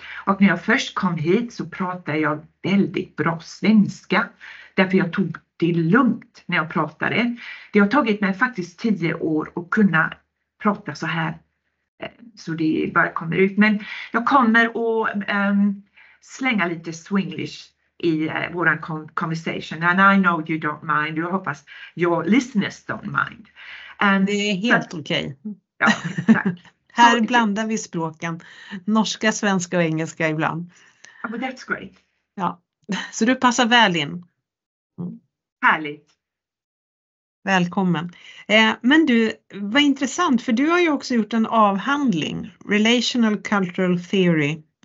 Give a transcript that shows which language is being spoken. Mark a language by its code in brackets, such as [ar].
[sv] Och när jag först kom hit så pratade jag väldigt bra svenska, därför jag tog det lugnt när jag pratade. Det har tagit mig faktiskt 10 år att kunna prata så här, så det bara kommer ut. Men jag kommer att slänga lite swenglish i vår conversation. [en] And I know you don't mind, [sv] jag hoppas [en] your listeners don't mind. [sv] Det är helt okej. Okay. Ja, tack. Här blandar vi språken, norska, svenska och engelska ibland. [en] Oh, but that's great. [sv] Ja, så du passar väl in. Mm. Härligt. Välkommen. Men du, vad intressant, för du har ju också gjort en avhandling, Relational Cultural Theory.